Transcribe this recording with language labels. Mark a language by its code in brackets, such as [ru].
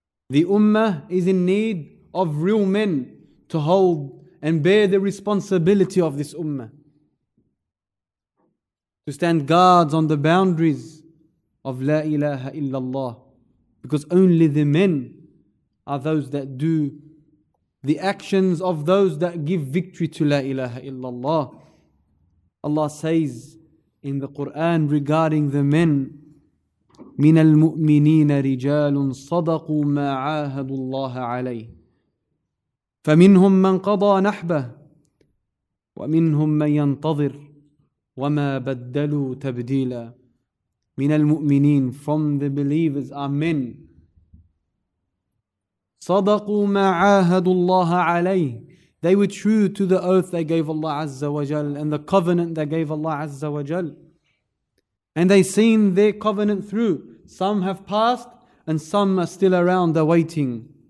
[en] The ummah is in need of real men to hold and bear the responsibility of this ummah, to stand guards on the boundaries of La ilaha illallah. Because only the men are those that do the actions of those that give victory to La ilaha illallah. [ar] Allah says in the Quran regarding the men, من المؤمنين رجال صدقوا ما عاهدوا الله عليه فمنهم من قضى نحبه ومنهم من ينتظر وما بدلوا تبديلا. من المؤمنين, [en] from the believers are men. [ar] صدقوا ما عاهدوا الله عليه, [en] they were true to the oath they gave Allah Azza wa Jal and the covenant they gave Allah Azza wa Jal. And they seen their covenant through. Some have passed and some are still around awaiting.